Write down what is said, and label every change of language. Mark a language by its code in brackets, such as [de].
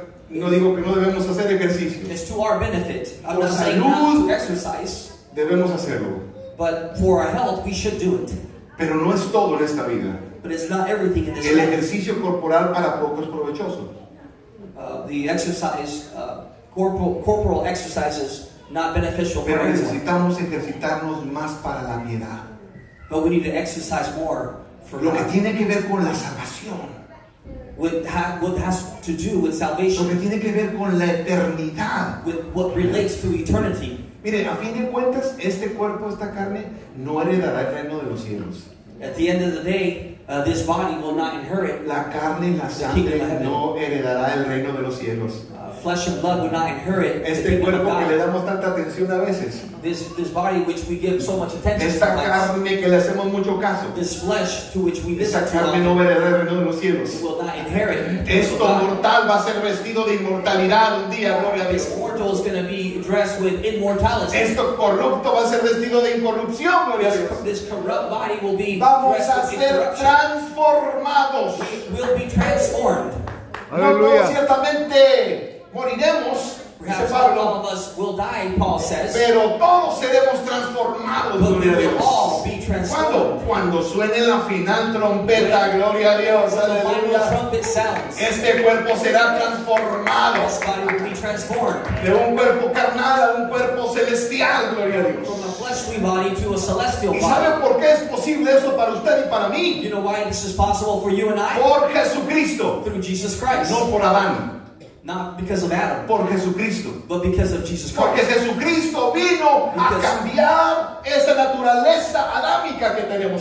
[es] No digo que no debemos hacer ejercicio. [en] It's to our benefit. [es] Por salud, [en] not to exercise, [es] debemos hacerlo. [en] But for our health, we should do it. [es] Pero no es todo en esta vida. [en] But it's not everything in this [es] el ejercicio [en] life. [es] Corporal para poco es provechoso. [en] The corporal exercises not beneficial [es] pero [en] for anyone. [es] Necesitamos ejercitarnos más para la piedad. [en] But we need to exercise more for [es] lo que tiene que ver con la salvación. [en] What has to do with salvation. [es] Lo que tiene que ver con la eternidad. [en] With what relates to eternity. [es] Miren, a fin de cuentas, este cuerpo, esta carne, no heredará el reino de los cielos. [en] At the end of the day, this body will not inherit [es] la carne y la sangre, no heredará el reino de los cielos. [en] flesh and blood would not inherit [es] este cuerpo que le damos tanta atención a veces. [en] This body which we give so much attention [es] esta [en] to. [es] Esta carne que le hacemos mucho caso. [en] This flesh to which we visit. [es] Esta carne no verá el reino de los cielos. [en] Will not inherit. [es] Esto mortal va a ser vestido de inmortalidad un día, gloria a Dios. [en] This mortal is going to be dressed with immortality. [es] Esto corrupto va a ser vestido de incorrupción, gloria a Dios. [en] This corrupt body will be [es] vamos a ser transformados. [en] We will be transformed. [es] Aleluya. No, ciertamente moriremos, dice Pablo, [en] all of us will die, Paul says. [es] Pero todos seremos transformados, gloria a Dios. ¿Cuándo? Cuando suene la final trompeta, gloria a Dios, aleluya. Este cuerpo será transformado. [en] This body will be transformed. [es] De un cuerpo carnal a un cuerpo celestial, gloria a Dios. [en] Fleshly body to a celestial body. [es] ¿Y sabe por qué es posible eso para usted y para mí? [en] You know why this is possible for you and I? [es] Por Jesucristo. [en] Through Jesus Christ. [es] No por Adán. [en] Not because of Adam. [es] Por Jesucristo. [en] But because of Jesus Christ. [es] Porque Jesucristo vino [en] because [es] a cambiar esa naturaleza adámica que tenemos.